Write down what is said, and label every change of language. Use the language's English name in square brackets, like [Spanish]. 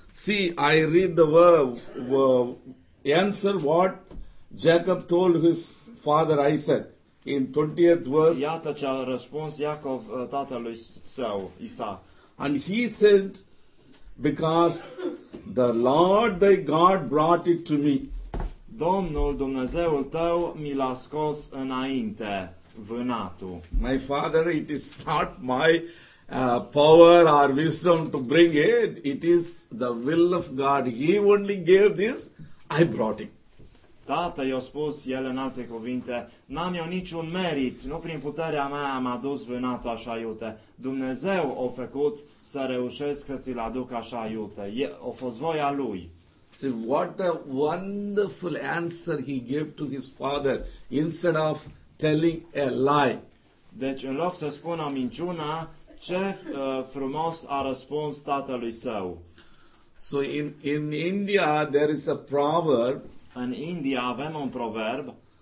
[English] See, I read the answer what Jacob told his father Isaac in 20th verse. [Romanian] Iată ce a răspuns Iacov tatălui său, Isaac. [English] And he said, because the Lord thy God brought it to me. [Romanian] Domnul Dumnezeul tău mi l-a scos înainte. Vânatul. [English] My father, it is not my power or wisdom to bring it. It is the will of God. He only gave this, I brought it. [Romanian] Tată, i-a spus el în alte cuvinte, n-am eu niciun merit, nu prin puterea mea am adus vânatul așa iute. Dumnezeu a făcut să reușesc să ți-l aduc așa iute. A fost voia lui. [English] See, what a wonderful answer he gave to his father instead of telling a lie. [Romanian] Deci în loc să spună minciuna, ce frumos a răspuns tatălui său. [English] So in India there is a proverb. [Romanian] În India avem un proverb.